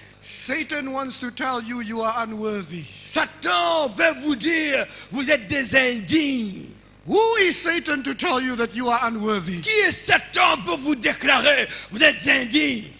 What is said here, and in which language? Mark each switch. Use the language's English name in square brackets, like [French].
[English] Satan wants to tell you you are unworthy. [French] Satan veut vous dire vous êtes des indignes. [English] Who is Satan to tell you that you are unworthy? [French] Qui est Satan pour vous déclarer vous êtes indigne?